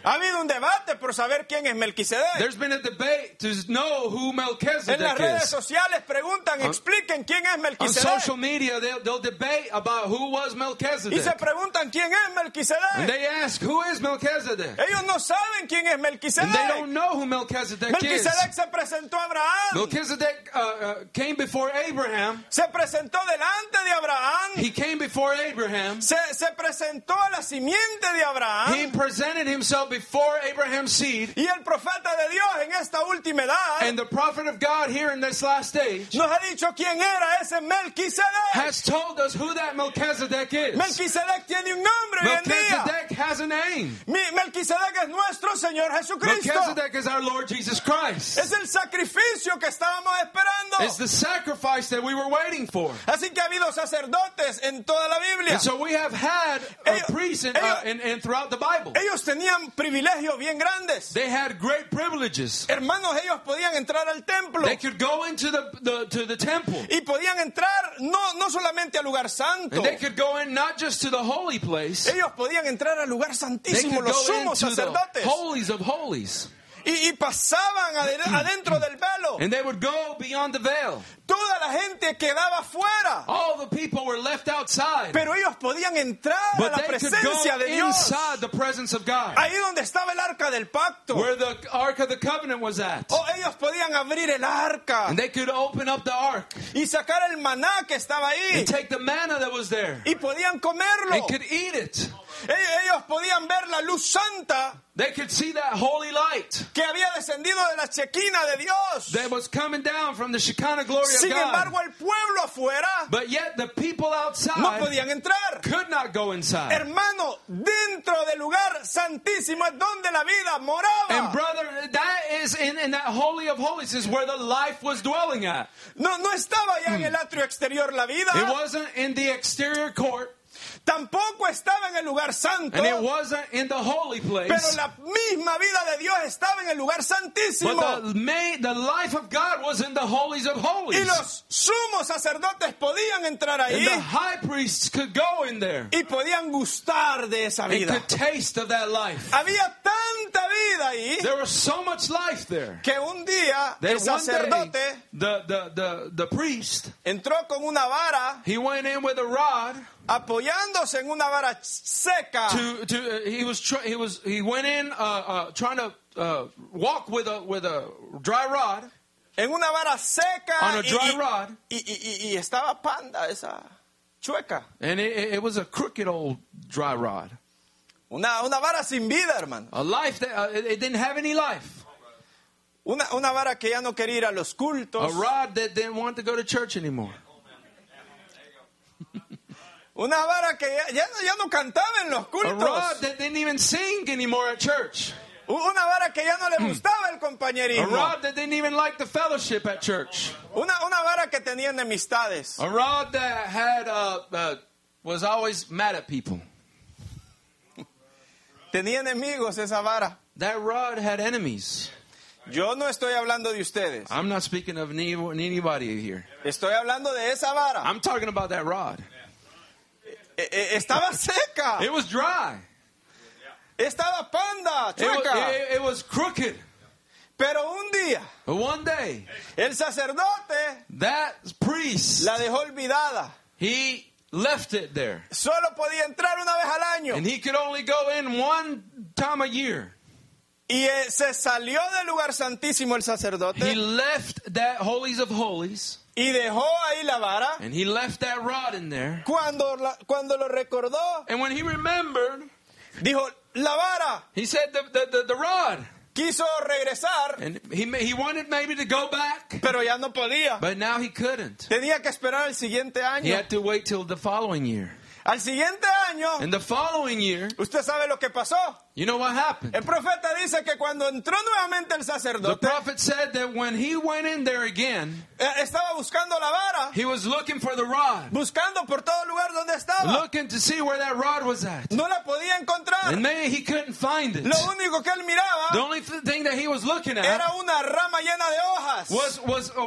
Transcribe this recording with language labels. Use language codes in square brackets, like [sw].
[es] Ha habido un debate por saber quién es Melquisedec. [en] There's been a debate to know who Melchizedek [es] en las redes [en] is. [es] Sociales preguntan, expliquen quién es Melquisedec. [en] On social media, they'll debate about who was Melchizedek. [es] Y se preguntan, ¿quién es Melquisedec? [en] And they ask, who is Melchizedek? [es] Ellos no saben quién es Melquisedec. [en] And they don't know who Melchizedek, Melchizedek is. [es] Se presentó a Abraham. [en] Melchizedek came before Abraham. [es] Se presentó delante de Abraham. [en] He came before Abraham. [es] Se presentó a la simiente de Abraham. [en] He presented himself before Abraham's seed. [es] Y el profeta de Dios en esta última edad, [en] and the prophet of God here in this last age, [es] nos ha dicho quién era ese Melquisedec. [en] Has told us who that Melchizedek is. [es] Melquisedec tiene un nombre. [en] Melchizedek has a name. [es] Melquisedec es nuestro Señor Jesucristo. [en] Melchizedek is our Lord Jesus Christ. [es] Es el sacrificio que estábamos esperando. [en] It's the sacrifice that we were waiting for. [es] Así que ha habido sacerdotes en toda la Biblia. [en] And so we have had a priest in throughout the Bible. [es] Ellos tenían privilegios bien grandes. [en] They had great privileges. [es] Hermanos, ellos podían entrar al templo. [en] They could go into the temple. [es] Y podían entrar no solamente al lugar santo. [en] And they could go in not just to the holy place. [es] Ellos podían entrar al lugar santísimo, los sumos sacerdotes. [en] The holies of holies. [es] Y pasaban adentro del velo. [en] And they would go beyond the veil. [es] Toda la gente quedaba fuera. [en] All the people were left outside. [es] Pero ellos podían entrar [en] but [es] a la presencia de Dios. [en] Inside the presence of God. [es] Ahí donde estaba el arca del pacto. [en] Where the ark of the covenant was at. [es] O ellos podían abrir el arca. [en] And they could open up the ark. [es] Y sacar el maná que estaba ahí. [en] And take the manna that was there. [es] Y podían comerlo. [en] And could eat it. [es] Ellos podían ver la luz santa. [en] They could see that holy light. [es] Que había descendido de la Shekinah de Dios. [en] That was coming down from the Shekinah glory [es] sin [en] of God. [es] Sin embargo, el pueblo afuera. [en] But yet the people outside. [es] No podían entrar. [en] Could not go inside. [es] Hermano, dentro del lugar santísimo es donde la vida moraba. [en] And brother, that is in that holy of holies is where the life was dwelling at. [es] No estaba ya en el atrio exterior la vida. [en] It wasn't in the exterior court. [es] Tampoco estaba en el lugar santo. [en] And it wasn't in the holy place. [es] Pero la misma vida de Dios estaba en el lugar santísimo. [en] But the life of God was in the holies of holies. [es] Y los sumos sacerdotes podían entrar ahí. [en] And the high priests could go in there. [es] Y podían gustar de esa vida. [en] And could taste of that life. [es] Había tanta vida ahí. [en] There was so much life there. [es] Que un día el sacerdote, [en] the priest, [es] entró con una vara. [en] He went in with a rod. [es] apoyándose en una vara seca. [en] He went in trying to walk with a dry rod. [es] En una vara seca. [en] On a dry rod. [es] Y estaba panda esa chueca. [en] And it was a crooked old dry rod. [es] Una vara sin vida, hermano. [en] A life that it didn't have any life. [es] Una vara que ya no quería ir a los cultos. [en] A rod that didn't want to go to church anymore. [es] Una vara que ya no cantaba en los cultos. [en] A rod that didn't even sing anymore at church. [es] Una vara que ya no le gustaba el compañerismo. [en] A rod that didn't even like the fellowship at church. [es] Una vara que tenía enemistades. [en] A rod that had was always mad at people. [es] Tenía enemigos esa vara. [en] That rod had enemies. [es] Yo no estoy hablando de ustedes. [en] I'm not speaking of anybody here. [es] Estoy hablando de esa vara. [en] I'm talking about that rod. [es] Estaba seca. [en] It was dry. [es] Estaba panda, chueca. [en] It was crooked. [es] Pero un día. [en] But one day. [es] El sacerdote. [en] That priest. [es] La dejó olvidada. [en] He left it there. [es] Solo podía entrar una vez al año. [en] And he could only go in one time a year. [es] Y se salió del lugar santísimo el sacerdote. [en] He left that holies of holies. [es] Y dejó ahí la vara. [en] And he left that rod in there. [es] Cuando lo recordó. [en] And when he remembered. [es] Dijo, la vara. [en] He said the rod. [es] Quiso regresar. [en] And he wanted maybe to go back. [es] Pero ya no podía. [en] But now he couldn't. [es] Tenía que esperar el siguiente año. [en] He had to wait till the following year. [es] Al siguiente año. [en] And the following year. [es] Usted sabe lo que pasó. [en] You know what happened. [es] El profeta dice que cuando entró nuevamente el sacerdote. [en] The prophet said that when he went in there again. [es] Estaba buscando la vara. [en] He was looking for the rod. [es] Buscando por todo lugar donde estaba. [en] Looking to see where that rod was at. [es] No la podía encontrar. [en] And maybe he couldn't find it. [es] Lo único que él miraba. [en] The only thing that he was looking at. [es] Era una rama llena de hojas.